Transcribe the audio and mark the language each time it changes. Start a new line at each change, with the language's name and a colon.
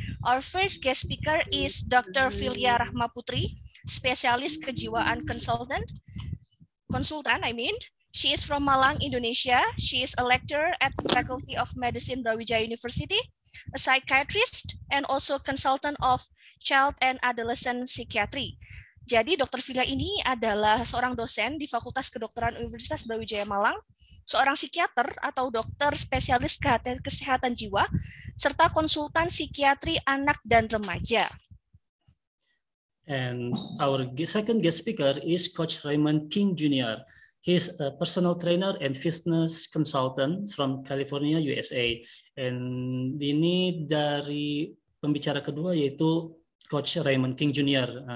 English: Our first guest speaker is Dr. Filia Rahma Putri,
Indonesian: spesialis kejiwaan konsultan.
English: She is from Malang, Indonesia. She is a lecturer at the Faculty of Medicine, Brawijaya University, a psychiatrist, and also consultant of child and adolescent psychiatry.
Indonesian: Jadi Dr. Filia ini adalah seorang dosen di Fakultas Kedokteran Universitas Brawijaya Malang, seorang psikiater atau dokter spesialis kesehatan jiwa, serta konsultan psikiatri anak dan remaja.
English: And our second guest speaker is Coach Raymond King Jr. He is a personal trainer and fitness consultant from California, USA.
Indonesian: And ini dari pembicara kedua yaitu Coach Raymond King Jr.